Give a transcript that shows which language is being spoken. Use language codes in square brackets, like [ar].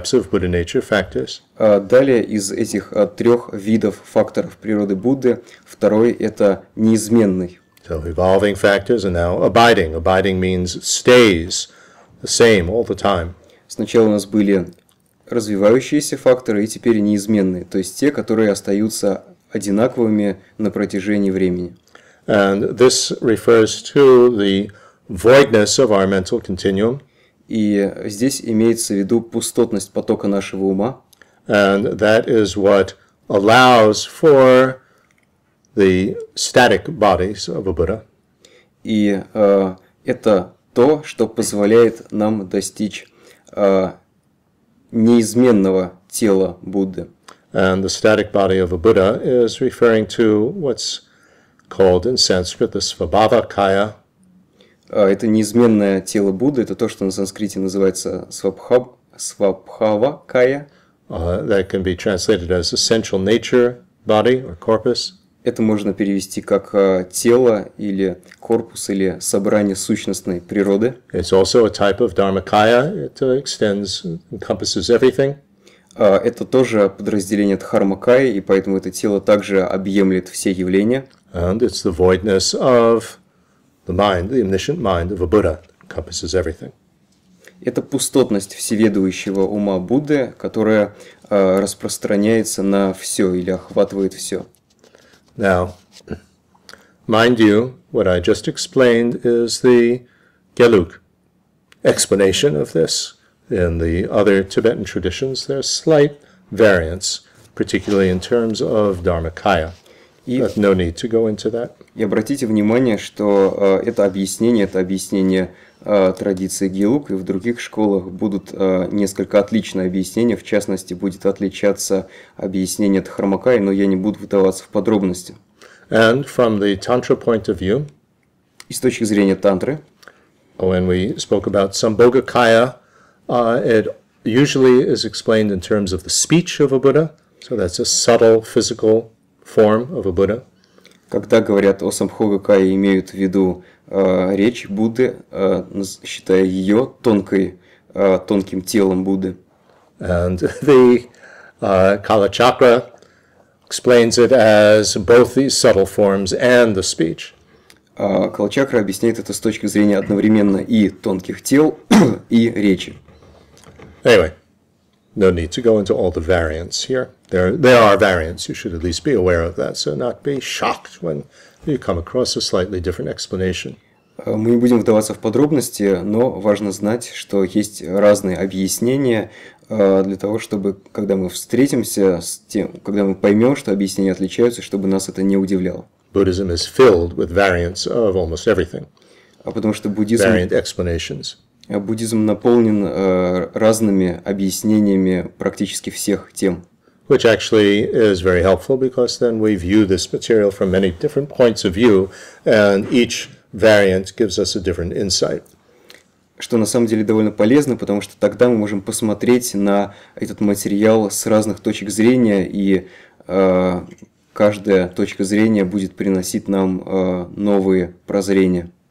[ru] Далее из этих трех видов факторов природы Будды второй – это неизменный. [en] So evolving factors and now abiding. Abiding means stays the same all the time. [ru] Сначала у нас были развивающиеся факторы, и теперь неизменные, то есть те, которые остаются одинаковыми на протяжении времени. [en] And this refers to the voidness of our mental continuum. [ru] И здесь имеется в виду пустотность потока нашего ума. [en] And that is what allows for the static bodies of a Buddha. [ru] И это то, что позволяет нам достичь неизменного тела Будды. [en] And the static body of a Buddha is referring to what's called in Sanskrit the Svabhavakaya. [ru] Это неизменное тело Будды, это то, что на санскрите называется Svabhavakaya. [en] That can be translated as essential nature body or corpus. [ru] Это можно перевести как тело или корпус или собрание сущностной природы. [en] It's also a type of dharmakaya. It extends, encompasses everything. [ru] Это тоже подразделение дхармакаи, и поэтому это тело также объемлет все явления. [en] And it's the voidness of the mind, the omniscient mind of a Buddha, encompasses everything. [ru] Это пустотность всеведущего ума Будды, которая распространяется на все или охватывает все. [en] Now, mind you, what I just explained is the Geluk explanation of this. In the other Tibetan traditions, there are slight variants, particularly in terms of Dharmakaya. But no need to go into that. [ru] И обратите внимание, что это объяснение традиции Гелук, и в других школах будут несколько отличные объяснения. В частности, будет отличаться объяснение Дхармакаи, но я не буду вдаваться в подробности. [en] And from the tantra point of view, [ru] и с точки зрения тантры, [en] when we spoke about Sambhogakaya, it usually is explained in terms of the speech of a Buddha, so that's a subtle physical form of a Buddha. [ru] Когда говорят о Сампхогакае, имеют в виду речь Будды, считая ее тонким телом Будды. [en] And the Kala Chakra explains it as both these subtle forms and the speech. [ru] Kala Chakra объясняет это с точки зрения одновременно и тонких тел, и речи. [en] Anyway, no need to go into all the variants here. There are variants, you should at least be aware of that, so not be shocked when you come across a slightly different explanation. [ru] Мы не будем вдаваться в подробности, но важно знать, что есть разные объяснения для того, чтобы, когда мы встретимся с тем, когда мы поймем, что объяснения отличаются, чтобы нас это не удивляло. [en] Buddhism is filled with variants of almost everything. [ru] А потому что буддизм... [en] Variant explanations. [ru] Буддизм наполнен разными объяснениями практически всех тем. [en] Which actually is very helpful, because then we view this material from many different points of view, and each variant gives us a different insight. [ru] Что на самом деле довольно полезно, потому что тогда мы можем посмотреть на этот материал с разных точек зрения, и каждая точка зрения будет приносить нам новые прозрения.